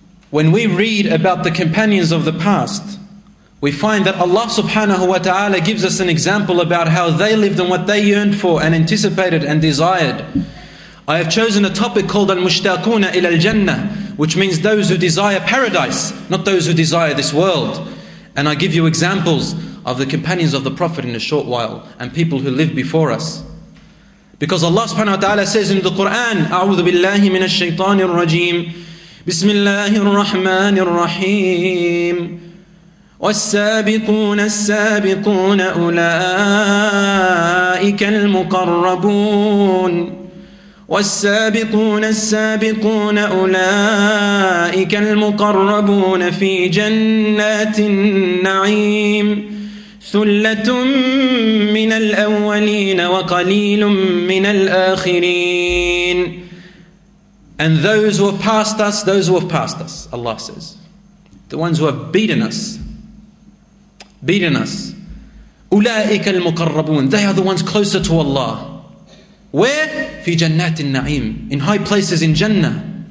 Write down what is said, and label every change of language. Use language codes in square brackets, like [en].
[en] When we read about the companions of the past, we find that Allah subhanahu wa ta'ala gives us an example about how they lived and what they yearned for and anticipated and desired. I have chosen a topic called Al-Mushtaquna ila al-Jannah, which means those who desire paradise, not those who desire this world. And I give you examples of the companions of the Prophet in a short while and people who lived before us. Because Allah subhanahu wa ta'ala says in the Quran, [ar] أعوذ بالله من الشيطان الرجيم بسم الله الرحمن الرحيم والسابقون السابقون أولئك المقربون والسابقون السابقون أولئك المقربون في جنات النعيم ثلة من الأولين وقليل من الآخرين. [en] And those who have passed us, those who have passed us, Allah says, the ones who have beaten us, beaten us. [ar] أُولَٰئِكَ الْمُقَرَّبُونَ. [en] They are the ones closer to Allah. Where? [ar] فِي جَنَّاتِ النَّعِيمِ. [en] In high places in Jannah.